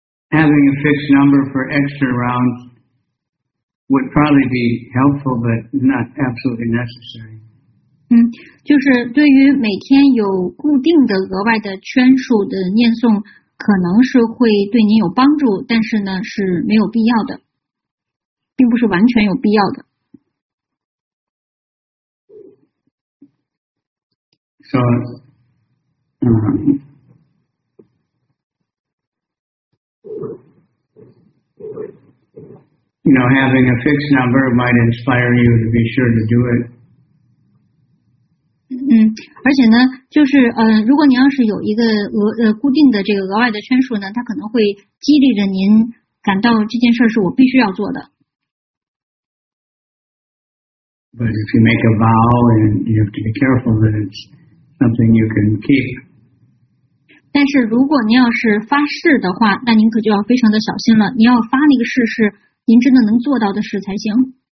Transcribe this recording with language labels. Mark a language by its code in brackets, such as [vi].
[en] Having a fixed number for extra rounds would probably be helpful, but not absolutely necessary. [zh] 就是对于每天有固定的额外的圈数的念诵。可能是会对您有帮助，但是呢是没有必要的，并不是完全有必要的。 [en] So, you know, having a fixed number might inspire you to be sure to do it. [zh] 而且呢就是如果您要是有一个固定的这个额外的圈数呢，它可能会激励着您感到这件事是我必须要做的。 [en] But if you make a vow and you have to be careful that it's something you can keep. [zh] 但是如果您要是发誓的话，那您可就要非常的小心了，您要发那个誓是您真的能做到的事才行。